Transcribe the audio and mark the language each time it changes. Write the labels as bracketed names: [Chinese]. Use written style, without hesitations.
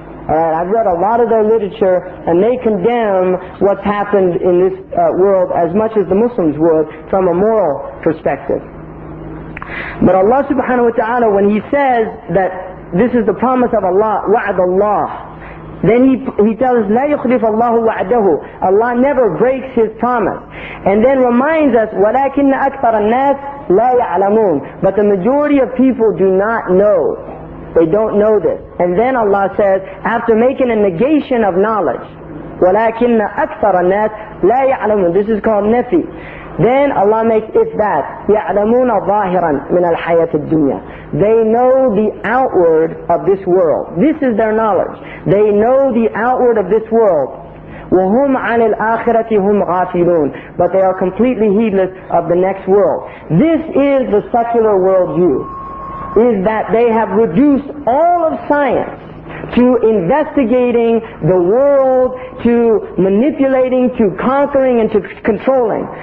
[English] Alright, I've read a lot of their literature, and they condemn what's happened in this world as much as the Muslims would from a moral perspective. But Allah subhanahu wa ta'ala, when He says that this is the promise of Allah, wa'ad Allah, then he tells us, [Arabic] لَا يُخْلِفَ اللَّهُ وَعْدَهُ. [English] Allah never breaks His promise. And then reminds us, [Arabic] وَلَكِنَّ أَكْثَرَ النَّاسِ لَا يَعْلَمُونَ. [English] But the majority of people do not know. They don't know this. And then Allah says, after making a negation of knowledge, [Arabic] وَلَكِنَّ أَكْثَرَ النَّاسِ لَا يَعْلَمُونَ. [English] This is called nafi. Then Allah makes ifbat, [Arabic] يَعْلَمُونَ ظَاهِرًا مِنَ الْحَيَاةِ الدُّنْيَا. [English] They know the outward of this world. This is their knowledge. They know the outward of this world. [Arabic] وَهُمْ عَنِ الْآخِرَةِ هُمْ غَافِلُونَ. [English] But they are completely heedless of the next world. This is the secular worldview, is that they have reduced all of science to investigating the world, to manipulating, to conquering, and to controlling.